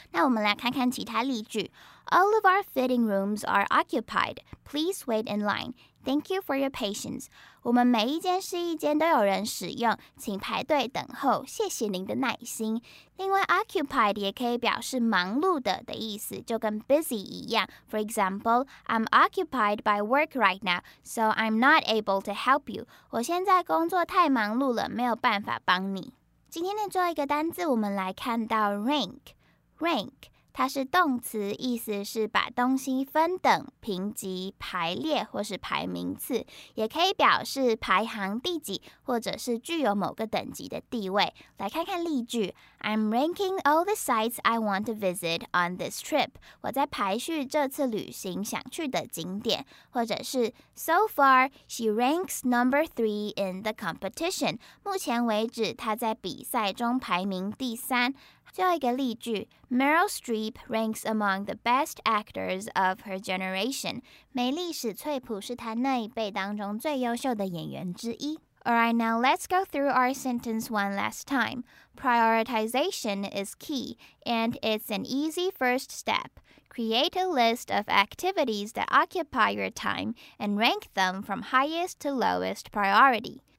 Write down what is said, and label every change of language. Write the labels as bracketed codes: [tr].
[zh] 那我们来看看其他例句。 [en] All of our fitting rooms are occupied. Please wait in line. Thank you for your patience. [zh] 我们每一间试衣间都有人使用，请排队等候，谢谢您的耐心。另外 occupied 也可以表示忙碌的意思，就跟 busy 一样。 [en] For example, I'm occupied by work right now, so I'm not able to help you. [zh] 我现在工作太忙碌了，没有办法帮你。今天的最后一个单字，我们来看到 rank。Rank 它是动词，意思是把东西分等、评级、排列或是排名次，也可以表示排行第几或者是具有某个等级的地位。来看看例句。 [en] I'm ranking all the sites I want to visit on this trip. [zh] 我在排序这次旅行想去的景点。或者是 [en] So far, she ranks number 3 in the competition. [zh] 目前为止她在比赛中排名第三。最后一个例句， [en] Meryl Streep ranks among the best actors of her generation. [zh] 梅丽史翠普是她那一辈当中最优秀的演员之一。 [en] Alright, now let's go through our sentence one last time. Prioritization is key, and it's an easy first step. Create a list of activities that occupy your time and rank them from highest to lowest priority.